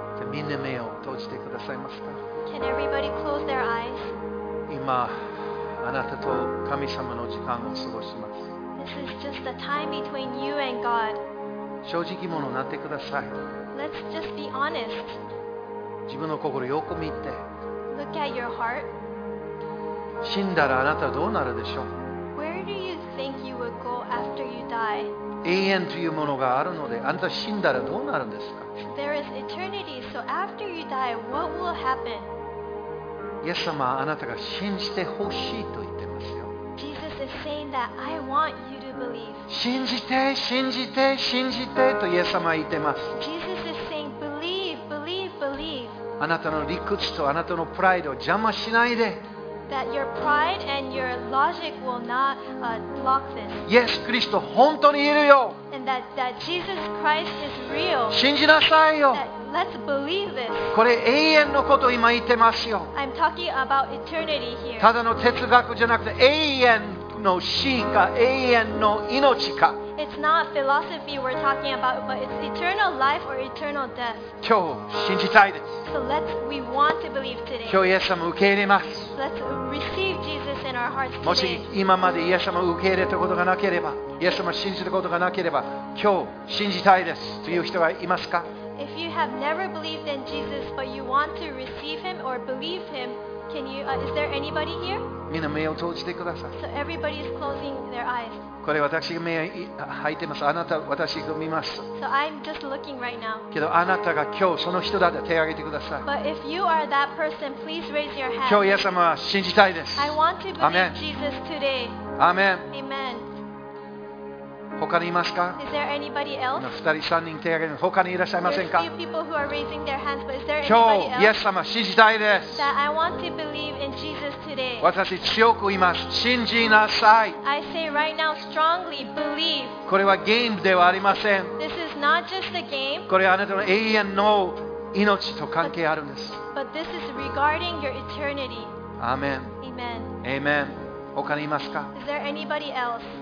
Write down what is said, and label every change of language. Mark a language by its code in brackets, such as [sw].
[ja] 皆目を閉じてくださいますか。 [en] Can everybody close their eyes? [ja] 今あなたと神様の時間を過ごします。 [en] This is just the time between you and God. [ja] 正直者になってください。 [en] Let's just be honest. [ja] 自分の心をよく見て。 [en] Look at your heart. [ja] 死んだらあなたはどうなるでしょう。 [en] Where do you think you would go after you die? [ja] 永遠というものがあるのであなた死んだらどうなるんですか。 [en] There is eternity, so after you die, what will happen? [ja] イエス様はあなたが信じてほしいと言ってますよ。 [en] Jesus is saying that I want you to believe. [ja] 信じて信じて信じてとイエス様は言ってます。 [en] Jesus is saying believe, believe, believe. [ja] あなたの理屈とあなたのプライドを邪魔しないで。 [en] That your pride and your logic will not block this. Yes, Christ, [ja] 本当にいるよ。 [en] And that Jesus Christ is real. [ja] 信じなさいよ。 [en] Let's believe this. [ja] これ永遠のこと今言ってますよ。 [en] I'm talking about eternity here. [ja] ただの哲学じゃなくて永遠の死か永遠の命か。 [en] It's not philosophy we're talking about, but it's eternal life or eternal death. [ja] 今日信じたいです。 [en] So let's, we want to believe today. [ja] 今日イエス様受け入れます。 [en] Let's receive Jesus in our hearts today. [ja] もし今までイエス様受け入れたことがなければ、イエス様信じることがなければ、今日信じたいですという人はいますか？ [en] If you have never believed in Jesus, but you want to receive him or believe him,is there anybody here? [ja] みんな目を閉じてください。 [en] So everybody is closing their eyes. [ja] これ私が目を開いてます。あなた私が見ます。 [en] So I'm just looking right now. [ja] けどあなたが今日その人だと手を挙げてください。 [en] But if you are that person, please raise your hand. [ja] 今日イエス様は信じたいです。 [en] I want to believe Jesus today. Amen. Amen. [ja] 他にいますか？ [en] Is there anybody else? [ja] 二人三人手を挙げて他にいらっしゃいませんか？ [en] There's few people who are raising their hands, but is there anybody else? [ja] 今日イエス様信じたいです。 [en] That I want to believe in Jesus today. [ja] 私強く言います。信じなさい。 [en] I say right now strongly, believe. [ja] これはゲームではありません。 [en] This is not just a game. [ja] これはあなたの永遠の命と関係あるんです。 [en] But this is regarding your eternity. Amen. Amen. Amen. [ja] 他にいますか？ [en] Is there anybody else?